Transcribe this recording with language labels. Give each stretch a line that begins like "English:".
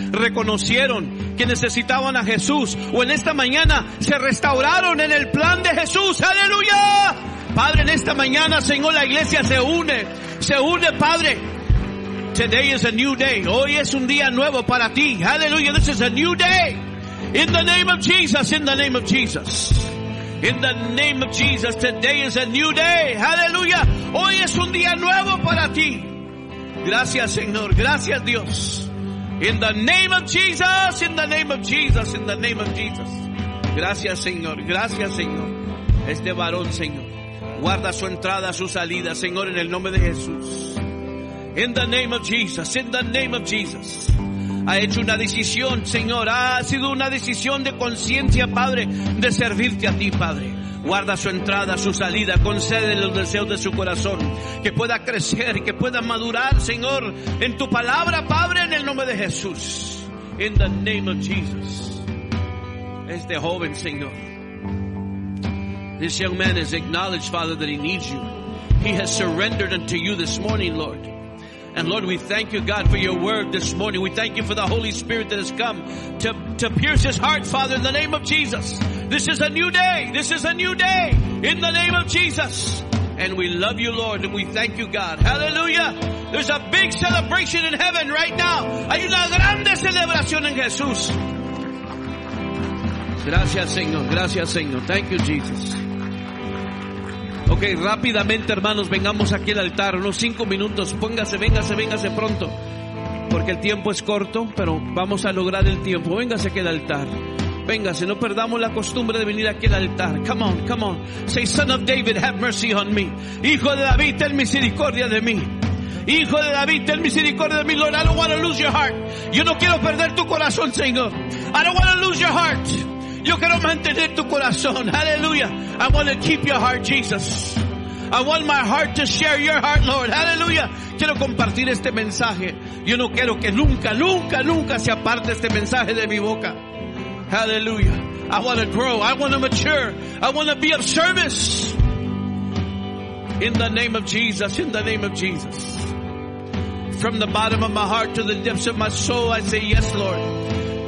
Spanish: Reconocieron que necesitaban a Jesús. O en esta mañana se restauraron en el plan de Jesús. ¡Aleluya! Padre, en esta mañana, Señor, la iglesia se une. Se une, Padre.
English: Today is a new day.
Spanish: Hoy es un día nuevo para ti.
English: ¡Aleluya! This is a new day. In the name of Jesus, in the name of Jesus. In the name of Jesus, today is a new day. Hallelujah.
Spanish: Hoy es un día nuevo para ti. Gracias, Señor. Gracias, Dios.
English: In the name of Jesus, in the name of Jesus, in the name of Jesus.
Spanish: Gracias, Señor. Gracias, Señor. Este varón, Señor, guarda su entrada, su salida, Señor, en el nombre de Jesús.
English: In the name of Jesus, in the name of Jesus.
Spanish: Ha hecho una decisión, Señor. Ha sido una decisión de conciencia, Padre, de servirte a ti, Padre. Guarda su entrada, su salida. Concede los deseos de su corazón. Que pueda crecer, que pueda madurar, Señor, en tu palabra, Padre, en el nombre de Jesús.
English: In the name of Jesus.
Spanish: Este joven, Señor.
English: This young man has acknowledged, Father, that he needs you. He has surrendered unto you this morning, Lord. And Lord, we thank you, God, for your word this morning. We thank you for the Holy Spirit that has come to pierce his heart, Father, in the name of Jesus. This is a new day. This is a new day in the name of Jesus. And we love you, Lord, and we thank you, God. Hallelujah. There's a big celebration in heaven right now.
Spanish: Hay una grande celebración en Jesús. Gracias, Señor. Gracias, Señor.
English: Thank you, Jesus.
Spanish: Ok, rápidamente, hermanos, vengamos aquí al altar. Unos 5 minutos. Póngase, véngase, véngase pronto. Porque el tiempo es corto, pero vamos a lograr el tiempo. Véngase aquí al altar. Véngase, no perdamos la costumbre de venir aquí al altar.
English: Come on, come on. Say, Son of David, have mercy on me.
Spanish: Hijo de David, ten misericordia de mí. Hijo de David, ten misericordia de mí, Lord.
English: I don't want to lose your heart.
Spanish: Yo no quiero perder tu corazón, Señor.
English: I don't want to lose your heart.
Spanish: Yo quiero mantener tu corazón.
English: Hallelujah. I want to keep your heart, Jesus. I want my heart to share your heart, Lord. Hallelujah.
Spanish: Quiero compartir este mensaje. Yo no quiero que nunca, nunca, nunca se aparte este mensaje de mi boca.
English: Hallelujah. I want to grow. I want to mature. I want to be of service. In the name of Jesus. In the name of Jesus. From the bottom of my heart to the depths of my soul, I say yes, Lord.